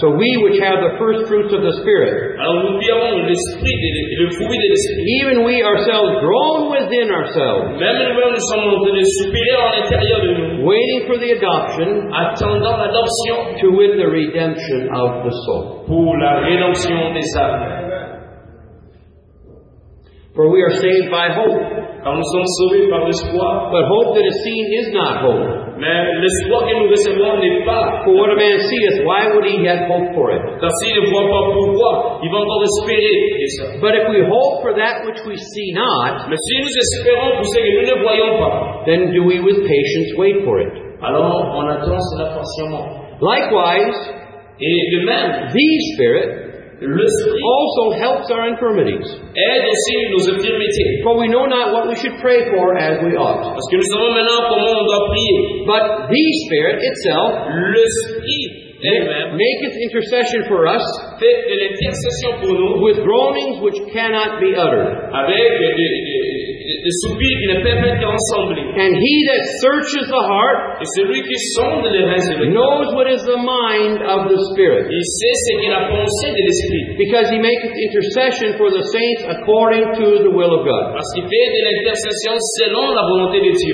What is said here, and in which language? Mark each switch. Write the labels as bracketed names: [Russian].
[English] So we which have the first fruits of the Spirit. [French] Alors nous qui avons l'esprit, le fruit de l'esprit. [English] Even we ourselves groan within ourselves. [French] Même nous sommes en train de soupirer à l'intérieur de nous. [English] Waiting for the adoption. [French] Attendant l'adoption. [English] To win the redemption of the soul. [French] Pour la rédemption des âmes. [English] For we are saved by hope. [French] Quand nous sommes sauvés par l'espoir. [English] But hope that is seen is not hope. [French] Mais l'espoir que nous recevons n'est pas. [English] For what a man seeth, why would he have hope for it? [French] Car s'il ne voit pas pourquoi, il va encore espérer. [English] But if we hope for that which we see not, [French] mais si nous espérons pour ce que nous ne voyons pas, [English] then do we with patience wait for it? [French] Alors on attend cela patiemment. [English] Likewise, [French] et de même, [English] the Spirit. [French] L'esprit [English] also helps our infirmities. [French] Aide aussi nos infirmités. [English] For we know not what we should pray for as we ought. [French] Parce que nous savons maintenant comment on doit prier. [English] But the Spirit itself, [French] l'esprit, [English] maketh intercession for us, [French] fait de l'intercession pour nous, [English] with groanings which cannot be uttered. [French] Avec des soupirs qui ne peuvent être rassemblés. [English] And he that searches the heart, [French] et celui qui sonde les reins de l'esprit, [English] knows what is the mind of the Spirit. [French] Il sait ce qu'il a pensé de l'esprit. [English] Because he maketh intercession for the saints according to the will of God. [French] Parce qu'il fait de l'intercession selon la volonté de Dieu.